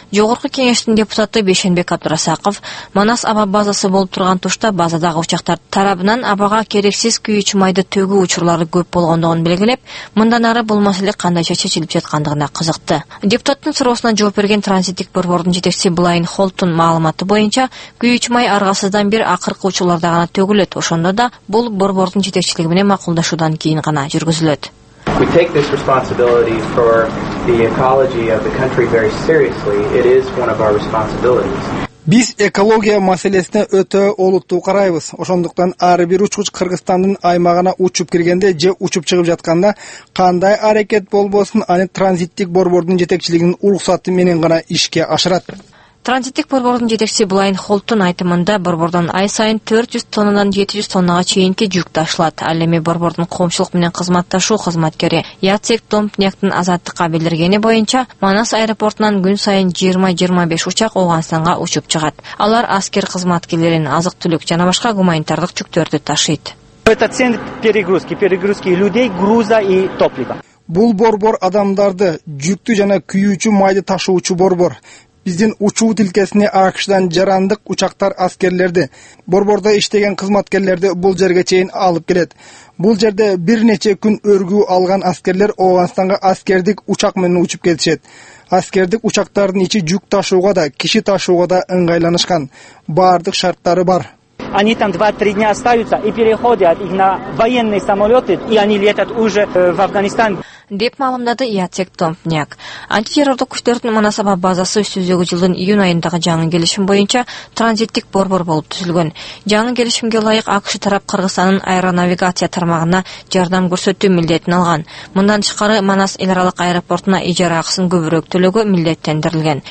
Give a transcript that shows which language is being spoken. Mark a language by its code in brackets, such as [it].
[ky] Жогорку кеңештин депутаты Бешенбек Абдурасаков Манас аба базасы болуп турган тушта базадагы учактар тарабынан абага керексиз күйүүч майды төгүү учурлары көп болгондугун белгилеп, мындан ары бул маселе кандайча чечилип жаткандыгына кызыкты. Депутаттын суроосуна жооп берген транзиттик борбордун жетекчиси Блайн Холттун маалыматы боюнча, күйүүч май аргасыздан бир акыркы учурларда гана төгүлөт, ошондо да бул борбордун жетекчилиги менен макулдашуудан кийин гана жүргүзүлөт. [en] We take this responsibility for the ecology of the country very seriously. It is one of our responsibilities. [ky] Биз экология маселесине өтө олуттуу карайбыз. Ошондуктан ар бир учкуч Кыргызстандын аймагына учуп киргенде же учуп чыгып жатканда кандай аракет болбосун, аны транзиттик борбордун жетекчилигинин уруксаты менен гана ишке ашырат. Транзиттик борбордун жетекчиси Булайын Холттун айтымында борбордон ай сайын 400 тоннадан 700 тоннага чейинки жүк ташылат. Ал эми борбордун коомчулук менен кызматташуу кызматкери Яцек Томпняктын азаттыкка билдиргени боюнча Манас аэропортунан күн сайын 20-25 учак Ооганстанга учуп чыгат. Алар аскер кызматкерлерин, азык түлүк жана башка гуманитардык жүктөрдү ташыйт. [ru] Это центр перегрузки людей, груза и топлива. [ky] Бул борбор адамдарды, жүктү жана күйүүчү майды ташуучу борбор. Биздин учуу тилкесине АКШдан жарандык учактар аскерлерди, борбордо иштеген кызматкерлерди бул жерге чейин алып келет. Бул жерде бир нече күн өргүү алган аскерлер Ооганстанга аскердик учак менен учуп кетишет. Аскердик учактардын ичи жүк ташууга да, киши ташууга да ыңгайланышкан. Бардык шарттары бар. [ru] Они там 2-3 дня остаются и переходят их на военные самолеты, и они летят уже в Афганистан. [ky] Деп маалымдады Яцек Томпняк. Антитеррордук күчтөрдүн Манас аба базасы өзүгү жылдын июнь айындагы жаңы келишим боюнча транзиттик борбор болуп түзүлгөн. Жаңы келишимге ылайык АКШ тарап Кыргызстандын аэронавигация тармагына жардам көрсөтүү милдетин алган. Мындан тышкары Манас эл аралык аэропортуна ижара акысын көбүрөөк төлөгө милдеттендирилген.